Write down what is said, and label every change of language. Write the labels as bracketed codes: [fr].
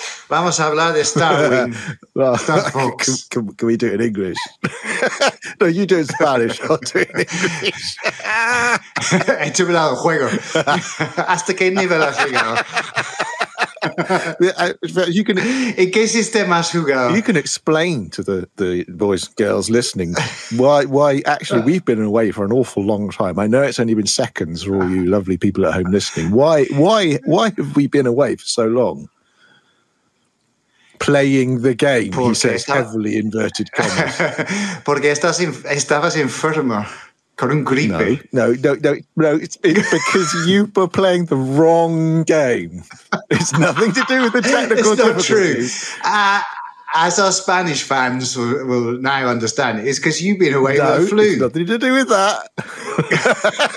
[es] Vamos a hablar de Starfox. [en] Can we do it in English? No, you do it in Spanish. I'll do it in English. [es] He terminado el juego. ¿Hasta qué nivel has llegado? [en] You can. [es] ¿En qué sistema has jugado? [en] You can explain to the boys and girls listening why actually we've been away for an awful long time. I know it's only been seconds for all you lovely people at home listening. Why have we been away for so long? Playing the game, porque he says, heavily inverted commas. [es] Porque estabas enfermo. [en] No, it's because you were playing the wrong game. It's nothing to do with the technical difficulties. It's not true. As our Spanish fans will now understand, it's because you've been away with the flu. It's nothing to do with that.